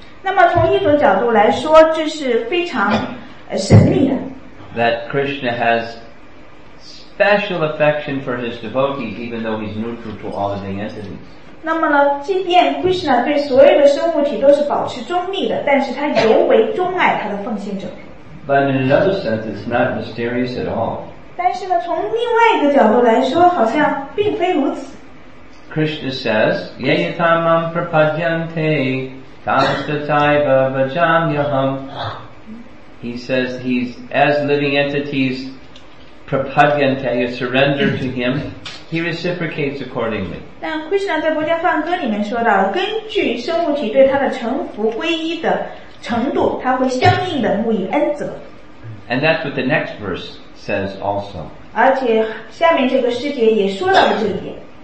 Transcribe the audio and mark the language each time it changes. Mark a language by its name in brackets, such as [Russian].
[Chinese] 那么从一种角度来说，这是非常。神秘的 [English] that Krishna has special affection for his devotees even though he's neutral to all living entities. [Chinese] 那么呢，即便 Krishna 对所有的生物体都是保持中立的，但是他尤为钟爱他的奉献者。 [English] But in another sense, it's not mysterious at all. [Chinese] 但是呢，从另外一个角度来说，好像并非如此。 [English] Krishna says, [Sanskrit] Yayatamam prapadyante tamstataiva vajamyaham. [English] He says he's, as living entities, prapadyante, you surrender to him, he reciprocates accordingly. [Chinese] 但 Krishna 在《般若梵歌》里面说到，根据生物体对他的臣服皈依的程度，他会相应的沐以恩泽。 [English] And that's what the next verse says also. [Chinese] 而且下面这个诗节也说到了这一点。